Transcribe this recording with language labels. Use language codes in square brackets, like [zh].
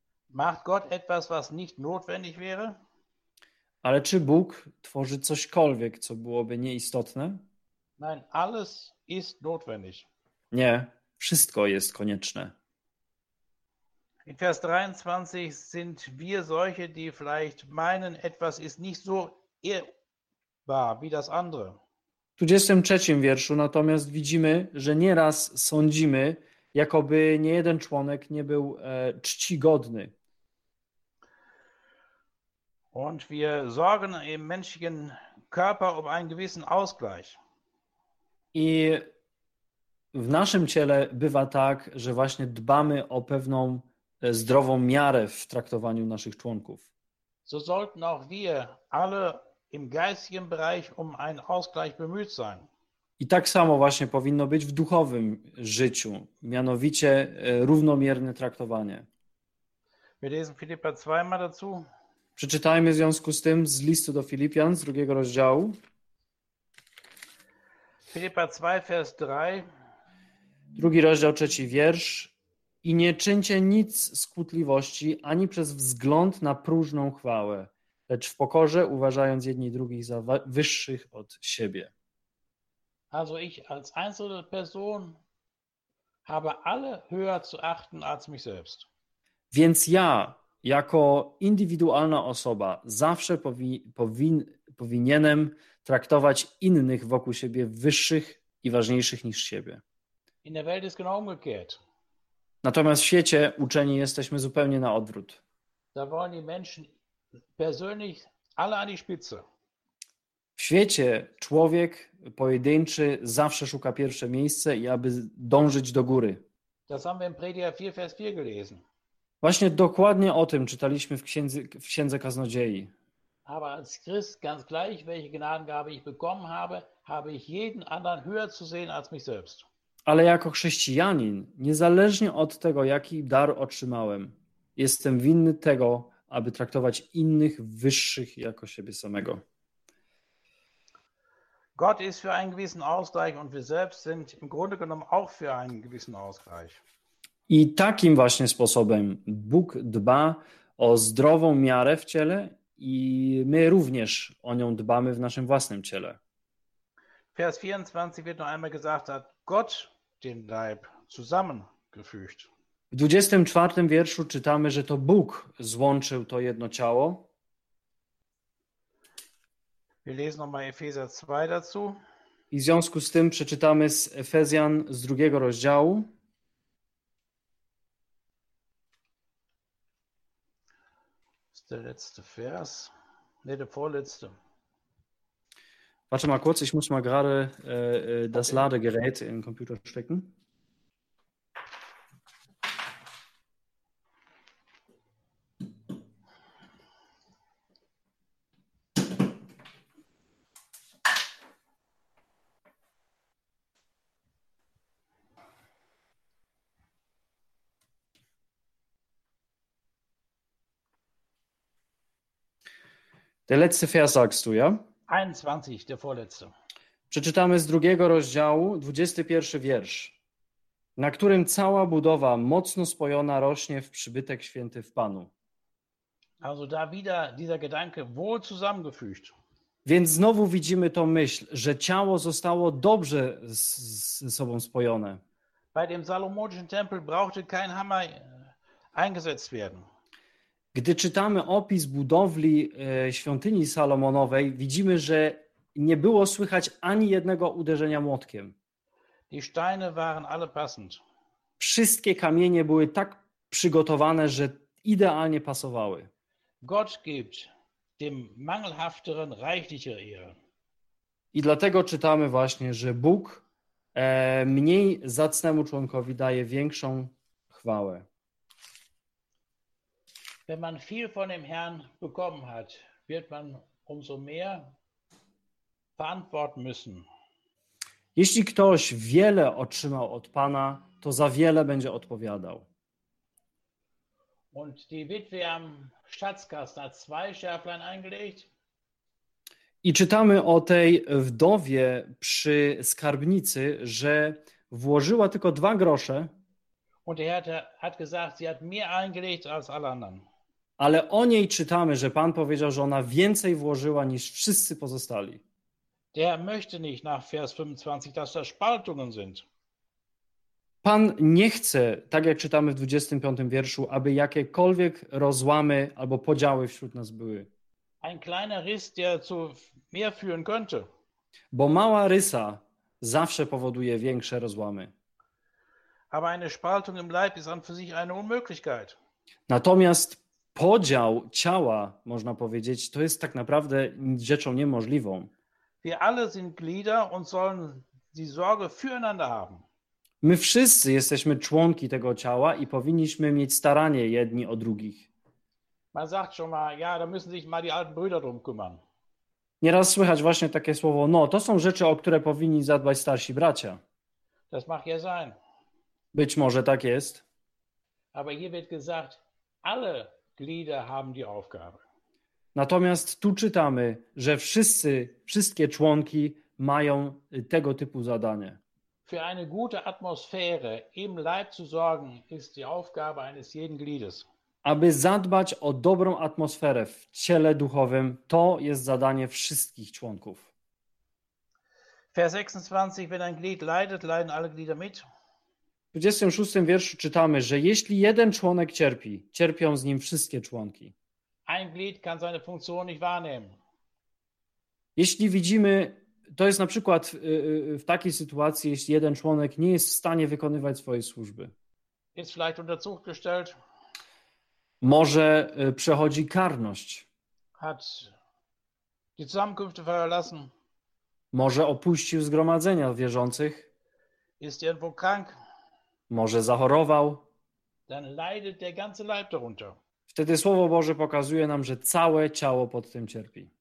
[de] Macht Gott etwas, was nicht notwendig wäre? [pl] Ale czy Bóg tworzy cośkolwiek, co byłoby nieistotne? [de] Nein, alles ist notwendig. [pl] Nie, wszystko jest konieczne. [de] In Vers 23 sind wir solche, die vielleicht meinen, etwas ist nicht so ehrbar wie das andere. [pl] W 23 wierszu natomiast widzimy, że nieraz sądzimy, jakoby nie jeden członek nie był czcigodny. [de] Und wir sorgen im menschlichen Körper um einen gewissen Ausgleich. [pl] I w naszym ciele bywa tak, że właśnie dbamy o pewną zdrową miarę w traktowaniu naszych członków. [de] So sollten auch wir alle im geistigen Bereich um einen Ausgleich bemüht sein. [pl] I tak samo właśnie powinno być w duchowym życiu, mianowicie równomierne traktowanie. [de] Wir lesen Philipper zweimal dazu. [pl] Przeczytajmy w związku z tym z listu do Filipian z drugiego rozdziału. [de] Filipa 2, vers 3. [pl] Drugi rozdział, trzeci wiersz. I nie czyńcie nic z kłótliwości ani przez wzgląd na próżną chwałę, lecz w pokorze uważając jedni drugich za wyższych od siebie. [de] Also ich als einzelne Person habe alle höher zu achten als mich selbst. [pl] Więc ja jako indywidualna osoba zawsze powinienem traktować innych wokół siebie wyższych i ważniejszych niż siebie. [de] In der Welt ist genau umgekehrt. [pl] Natomiast w świecie uczeni jesteśmy zupełnie na odwrót. [de] Da wollen die Menschen persönlich alle an die Spitze. [pl] W świecie człowiek pojedynczy zawsze szuka pierwsze miejsce i aby dążyć do góry. [de] Das haben wir in Prediger 4, Vers 4 gelesen. [pl] Właśnie dokładnie o tym czytaliśmy w Księdze Kaznodziei. [de] Aber als Christ ganz gleich, welche Gnadengabe ich bekommen habe, habe ich jeden anderen höher zu sehen als mich selbst. [pl] Ale jako chrześcijanin, niezależnie od tego, jaki dar otrzymałem, jestem winny tego, aby traktować innych wyższych jako siebie samego. [de] Gott ist für einen gewissen Ausgleich und wir selbst sind im Grunde genommen auch für einen gewissen Ausgleich. [pl] I takim właśnie sposobem Bóg dba o zdrową miarę w ciele i my również o nią dbamy w naszym własnym ciele. [de] Vers 24 wird noch einmal gesagt, hat Gott den Leib zusammengefügt. [pl] W 24 wierszu czytamy, że to Bóg złączył to jedno ciało. [de] Wir lesen noch mal Epheser 2 dazu. [pl] I w związku z tym przeczytamy z Efezjan z drugiego rozdziału. [de] Der letzte Vers. Nee, der vorletzte. Warte mal kurz, ich muss mal gerade das Ladegerät in den Computer stecken. Der letzte Vers sagst du, ja? 21, der vorletzte. [pl] Przeczytamy z drugiego rozdziału, 21 wiersz, na którym cała budowa mocno spojona rośnie w przybytek święty w Panu. [de] Also da wieder dieser Gedanke wohl zusammengefügt. [pl] Więc znowu widzimy tą myśl, że ciało zostało dobrze ze sobą spojone. [de] Bei dem salomonischen Tempel brauchte kein Hammer eingesetzt werden. [pl] Gdy czytamy opis budowli świątyni Salomonowej, widzimy, że nie było słychać ani jednego uderzenia młotkiem. [de] Die Steine waren alle passend. [pl] Wszystkie kamienie były tak przygotowane, że idealnie pasowały. [de] Gott gibt dem mangelhafteren reichliche Ehre. [pl] I dlatego czytamy właśnie, że Bóg mniej zacnemu członkowi daje większą chwałę. [de] Wenn man viel von dem Herrn bekommen hat, wird man umso mehr verantworten müssen. [pl] Jeśli ktoś wiele otrzymał od Pana, to za wiele będzie odpowiadał. [de] Und die Witwe am Schatzkasten hat zwei Schärflein eingelegt. [pl] I czytamy o tej wdowie przy skarbnicy, że włożyła tylko dwa grosze. [de] Und der Herr hat gesagt, sie hat mehr eingelegt als alle anderen. [pl] Ale o niej czytamy, że Pan powiedział, że ona więcej włożyła niż wszyscy pozostali. [de] Der möchte nicht nach Vers 25, dass da Spaltungen sind. [pl] Pan nie chce, tak jak czytamy w 25 wierszu, aby jakiekolwiek rozłamy albo podziały wśród nas były. [de] Ein kleiner Riss, der zu mehr führen könnte. [pl] Bo mała rysa zawsze powoduje większe rozłamy. [de] Aber eine Spaltung im Leib ist an für sich eine Unmöglichkeit. [pl] Natomiast podział ciała, można powiedzieć, to jest tak naprawdę rzeczą niemożliwą. [de] Wir alle sind Glieder und sollen die Sorge füreinander haben. [pl] My wszyscy jesteśmy członki tego ciała i powinniśmy mieć staranie jedni o drugich. [de] Man sagt schon mal, ja, da müssen sich mal die alten Brüder drum kümmern. [pl] Nieraz słychać właśnie takie słowo, no, to są rzeczy, o które powinni zadbać starsi bracia. [de] Das mag ja sein. [pl] Być może tak jest. [de] Aber hier wird gesagt, alle Glieder haben die Aufgabe. [pl] Natomiast tu czytamy, że wszystkie członki mają tego typu zadanie. [de] Für eine gute Atmosphäre im Leib zu sorgen, ist die Aufgabe eines jeden Gliedes. [pl] Aby zadbać o dobrą atmosferę w ciele duchowym, to jest zadanie wszystkich członków. [de] Vers 26, wenn ein Glied leidet, leiden alle Glieder mit. [pl] W 26 wierszu czytamy, że jeśli jeden członek cierpi, cierpią z nim wszystkie członki. [de] Ein Glied kann seine Funktion nicht wahrnehmen. [pl] Jeśli widzimy, to jest na przykład w takiej sytuacji, jeśli jeden członek nie jest w stanie wykonywać swojej służby. [de] Ist vielleicht unter Zug gestellt. [pl] Może przechodzi karność. [de] Hat die Zusammenkünfte verlassen. [pl] Może opuścił zgromadzenia wierzących. [de] Ist irgendwo krank. [pl] Może zachorował. [de] Dann leidet der ganze Leib darunter. [pl] Wtedy Słowo Boże pokazuje nam, że całe ciało pod tym cierpi.